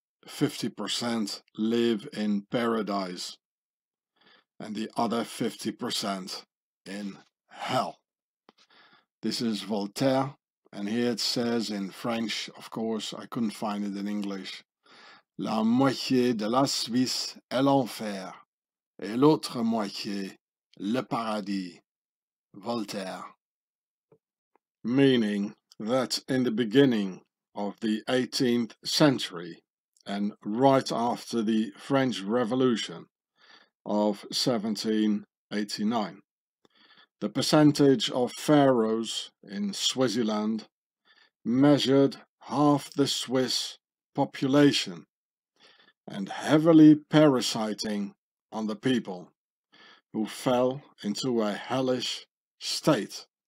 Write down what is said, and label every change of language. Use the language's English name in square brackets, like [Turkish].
[English] 50% live in paradise and the other 50% in hell. This is Voltaire, and here it says in French, of course, I couldn't find it in English. [French] La moitié de la Suisse est l'enfer, et l'autre moitié le paradis. [English] Voltaire. Meaning that in the beginning of the 18th century, and right after the French Revolution of 1789, the percentage of pharaohs in Switzerland measured half the Swiss population and heavily parasiting on the people, who fell into a hellish state.